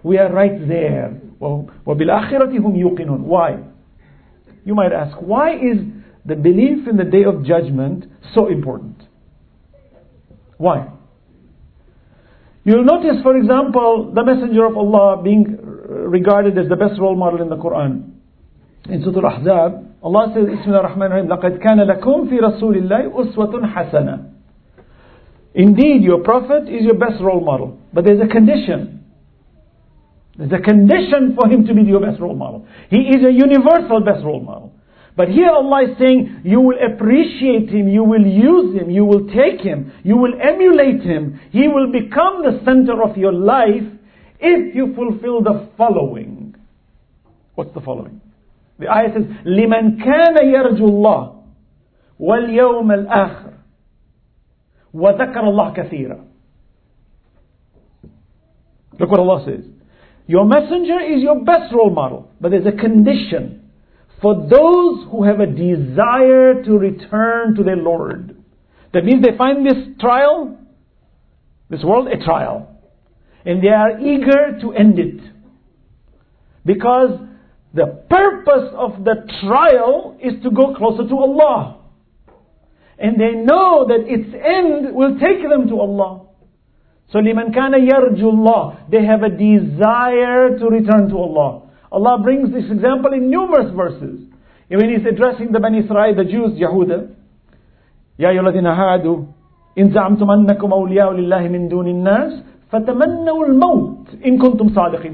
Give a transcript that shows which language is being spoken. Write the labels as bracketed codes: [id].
[en] We are right there. [ar] وَبِالْآخِرَةِ هُمْ يُقِنُونَ. [en] Why? You might ask, why is the belief in the Day of Judgment so important? Why? You'll notice, for example, the Messenger of Allah being regarded as the best role model in the Quran. In Surah Al-Ahzab, Allah says, [ar] بسم الله الرحمن الرحيم لَقَدْ كَانَ لَكُمْ فِي رَسُولِ اللَّهِ أُسْوَةٌ حَسَنًا. [en] Indeed, your Prophet is your best role model. But there's a condition. There's a condition for him to be your best role model. He is a universal best role model. But here Allah is saying, you will appreciate him, you will use him, you will take him, you will emulate him. He will become the center of your life if you fulfill the following. What's the following? The ayah says, [ar] لِمَنْ كَانَ يَرْجُوا اللَّهِ وَالْيَوْمَ الْآخِرِ وَذَكَرَ اللَّهَ كَثِيرًا. [en] Look what Allah says. Your messenger is your best role model, but there's a condition for those who have a desire to return to their Lord. That means they find this trial, this world, a trial. And they are eager to end it. Because the purpose of the trial is to go closer to Allah. And they know that its end will take them to Allah. [ar] So, لِمَنْ كَانَ يَرْجُوا اللَّهِ. [en] They have a desire to return to Allah. Allah brings this example in numerous verses. When He's addressing the Bani Israel, the Jews, Yahuda. [ar] يَا يُلَذِنَ هَادُوا إِنْ زَعَمْتُمْ أَنَّكُمْ أَوْلِيَاءُ لِلَّهِ مِنْ دُونِ النَّاسِ فَتَمَنَّوا الْمَوْتِ إِنْ كُنْتُمْ صَادِقِينَ.